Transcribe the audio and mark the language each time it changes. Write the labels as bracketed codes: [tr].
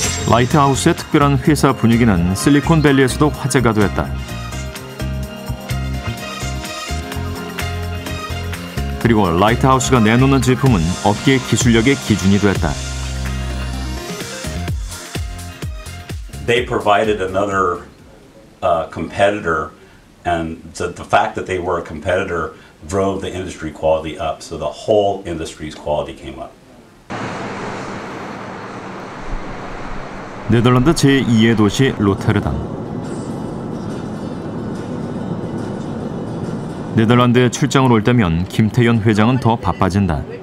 [ko] 라이트하우스의 특별한 회사 분위기는 실리콘밸리에서도 화제가 되었다. 그리고 라이트하우스가 내놓는 제품은 업계 기술력의 기준이 되었다. [en] They provided another competitor, and the fact that they were a competitor drove the industry quality up, so the whole industry's quality came up. [ko] 네덜란드 제2의 도시 로테르담. 네덜란드에 출장을 올 때면 김태현 회장은 더 바빠진다.